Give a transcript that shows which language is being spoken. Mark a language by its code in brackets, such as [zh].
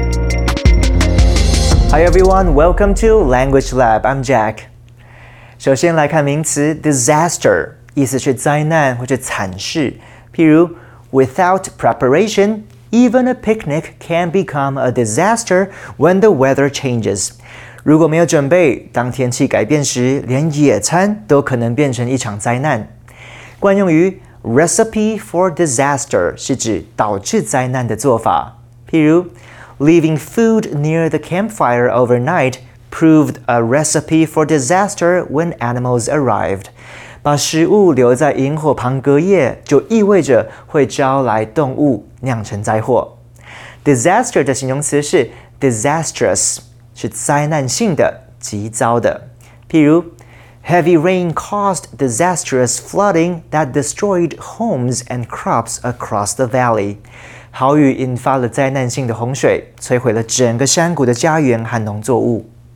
[en] Hi everyone, welcome to Language Lab, I'm Jack. [zh] 首先来看名词 disaster, 意思是灾难或是惨事。 [en] 譬如 without preparation, even a picnic can become a disaster when the weather changes. [zh] 如果没有准备，当天气改变时，连野餐都可能变成一场灾难。惯用于 [en] recipe for disaster, [zh] 是指导致灾难的做法。 [en] 譬如Leaving food near the campfire overnight proved a recipe for disaster when animals arrived. [zh] 把食物留在萤火旁隔夜就意味着会招来动物酿成灾祸。 Disaster 的形容词是 disastrous, 是灾难性的、极糟的。 [en] 譬如 Heavy rain caused disastrous flooding that destroyed homes and crops across the valley. [zh] 豪雨引发了灾难性的洪水，摧毁了整个山谷的家园和农作物。